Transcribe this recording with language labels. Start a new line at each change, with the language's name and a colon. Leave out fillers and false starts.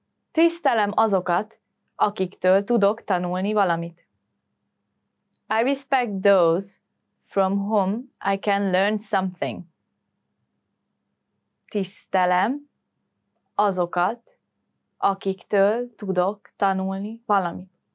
Hungarian: Tisztelem azokat, akiktől tudok tanulni valamit.
English: I respect those from whom I can learn something.
Hungarian: Tisztelem azokat, akiktől tudok tanulni valamit.